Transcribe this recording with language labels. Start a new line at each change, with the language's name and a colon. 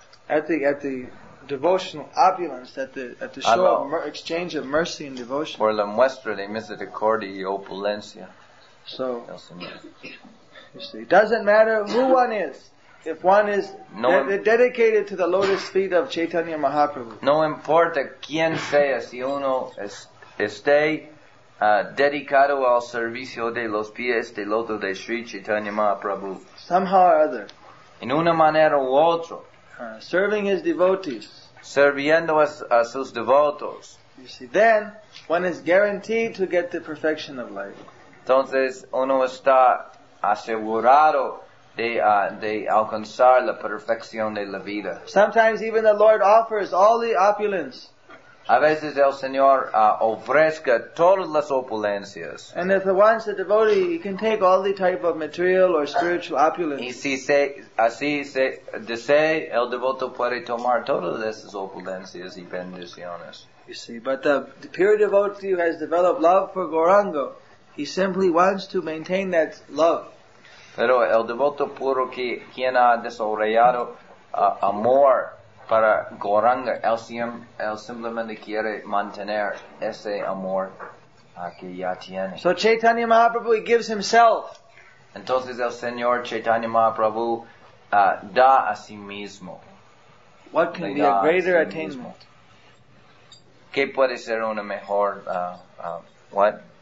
English: at the devotional opulence at the show of exchange of mercy and devotion.
Spanish: Por la muestra de misericordia y opulencia.
English: So. It doesn't matter who one is. If one is dedicated to the lotus feet of Chaitanya Mahaprabhu.
Spanish: No importa quién sea, si uno esté dedicado al servicio de los pies de loto de Sri Chaitanya Mahaprabhu.
English: Somehow or other.
Spanish: En una manera u otra.
English: Serving his devotees.
Spanish: Serviendo a sus devotos.
English: You see, then One is guaranteed to get the perfection of life.
Spanish: Entonces, uno está asegurado de alcanzar la perfección de la vida.
English: Sometimes even the Lord offers all the opulence.
Spanish: A veces el Señor ofrezca todas las opulencias.
English: And if the one's a devotee, he can take all the type of material or spiritual opulence.
Spanish: Y si se, así se desee, el devoto puede tomar todas esas opulencias y bendiciones.
English: You see, but the pure devotee who has developed love for Gauranga, he simply wants to maintain that love.
Spanish: Pero el devoto puro que quien ha desarrollado amor para Gauranga, él simplemente quiere mantener ese amor que ya tiene.
English: So Chaitanya Mahaprabhu, he gives himself.
Spanish: Entonces el Señor Chaitanya Mahaprabhu da a sí mismo.
English: What can be a greater attainment?
Spanish: ¿Qué puede ser una mejor,
English: what?